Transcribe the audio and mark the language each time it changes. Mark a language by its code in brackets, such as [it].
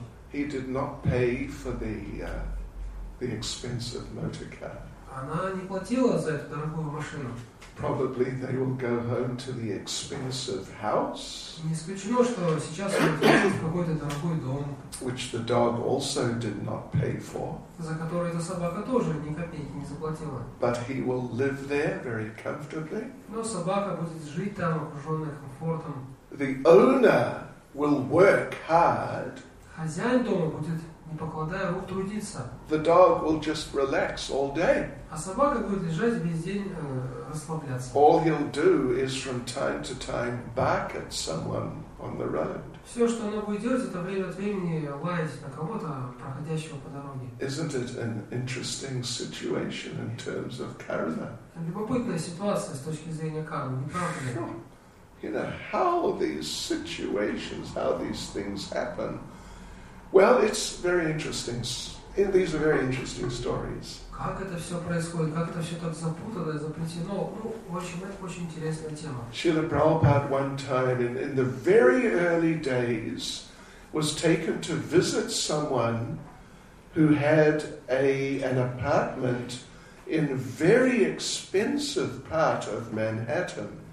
[en] He did not pay for the expensive motor car. [ru] Она не платила за эту дорогую машину. [en] Probably they will go home to the expensive house. [ru] Не исключено, что сейчас они приедут в какой-то дорогой дом. [en] Which the dog also did not pay for. [ru] За который эта собака тоже ни копейки не заплатила. [en] But he will live there very comfortably. [ru] Но собака будет жить там, окружённая комфортом. [en] The owner will work hard. [ru] Хозяин дома будет, не покладая рук, трудиться. [en] The dog will just relax all day. [ru] А собака будет лежать весь день, расслабляться. [en] All he'll do is from time to time bark at someone on the road. [ru] Все, что она будет делать, это время от времени лаять на кого-то, проходящего по дороге. [en] Isn't it an interesting situation in terms of karma? [ru] Любопытная ситуация с точки зрения кармы, не правда ли? [en] You know, how these situations, how these things happen. Well, it's very interesting. These are very interesting stories. [ru] Как это все происходит? Как это все так запутано и заплетено? Ну, в общем, это очень интересная тема. [en] Шрила Прабхупада one time in the very early days was taken to visit someone who had an apartment in a very expensive part of Manhattan.